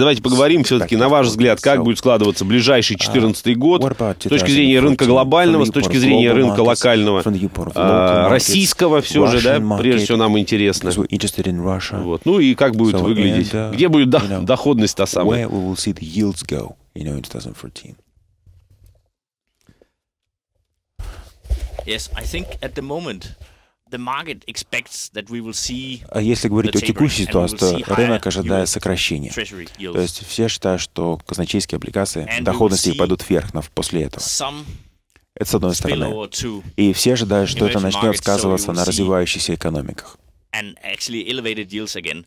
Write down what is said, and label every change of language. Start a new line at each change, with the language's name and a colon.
Russian: Давайте поговорим все-таки, на ваш взгляд, как будет складываться ближайший 2014 год с точки зрения рынка глобального, с точки зрения рынка локального, российского все же, да, прежде всего нам интересно. Вот. Ну и как будет выглядеть, где будет доходность та самая?
English: Where we will see the yields go, you know, in 2014. Yes, I think at the moment the market expects that we will see.
Russian: А если говорить о текущей ситуации, то рынок ожидает сокращения. То есть все считают, что казначейские облигации, доходности пойдут вверх после этого. Это с одной стороны. И все ожидают, что это начнет сказываться на развивающихся экономиках.
English: And actually elevated yields again.